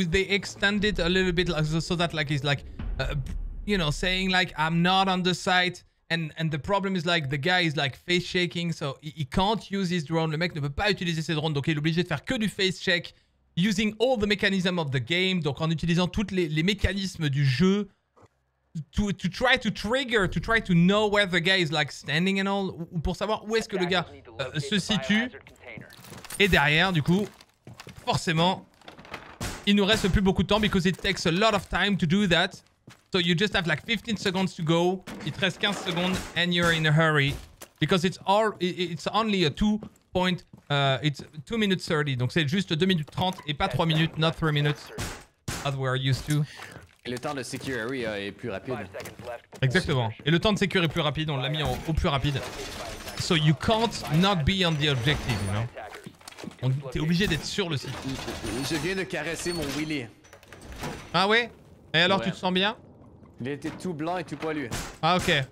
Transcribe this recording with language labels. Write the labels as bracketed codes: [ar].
[en] They extended a little bit like, so that like he's like, you know, saying like, I'm not on the site. And the problem is like, the guy is like face shaking. So he can't use his drone. [fr] Le mec ne peut pas utiliser ses drones. Donc il est obligé de faire que du face check. [en] Using all the mechanisms of the game. [fr] Donc en utilisant toutes les mécanismes du jeu. [en] To try to trigger, to try to know where the guy is like standing and all, [fr] ou pour savoir où est-ce que le gars se situe. Et derrière, du coup, forcément, il nous reste plus beaucoup de temps [en] because it takes a lot of time to do that. So you just have like 15 seconds to go. [fr] Il te reste 15 secondes [en] and you're in a hurry because it's only a 2 point, it's 2 minutes 30. [fr] Donc c'est juste 2 minutes 30 et pas 3 minutes, [en] not 3 minutes as we're used to. [fr] Et le temps de secure area est plus rapide. Exactement. Et le temps de secure est plus rapide, on l'a mis au plus rapide. [en] So you can't not be on the objective, you know? [fr] T'es obligé d'être sur le site. Je viens de caresser mon wheelie. Ah ouais? Et alors ouais. Tu te sens bien? Il était tout blanc et tout poilu. Ah ok.